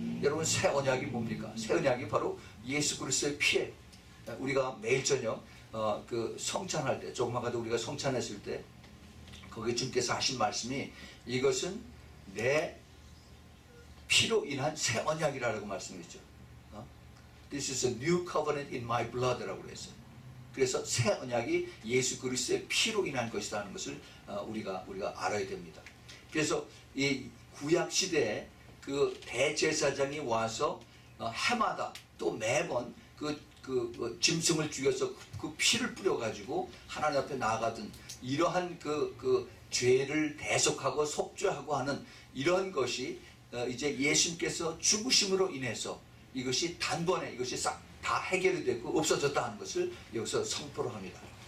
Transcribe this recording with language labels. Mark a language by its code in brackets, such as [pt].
[ko] 여러분 새 언약이 뭡니까? 새 언약이 바로 예수 그리스도의 피에 우리가 매일 저녁 그 성찬할 때 조금만 가도 우리가 성찬했을 때 거기 주님께서 하신 말씀이 이것은 내 피로 인한 새 언약이라고 말씀했죠. [en] This is a new covenant in my blood [ko] 라고 그랬어요. 그래서 새 언약이 예수 그리스도의 피로 인한 것이다 하는 것을 우리가 알아야 됩니다. 그래서 이 구약 시대에 그 대제사장이 와서 해마다 또 매번 그 짐승을 죽여서 그 피를 뿌려가지고 하나님 앞에 나아가든 이러한 그 죄를 대속하고 속죄하고 하는 이런 것이 이제 예수님께서 죽으심으로 인해서 이것이 단번에 이것이 싹 다 해결이 되고 없어졌다 하는 것을 여기서 선포를 합니다.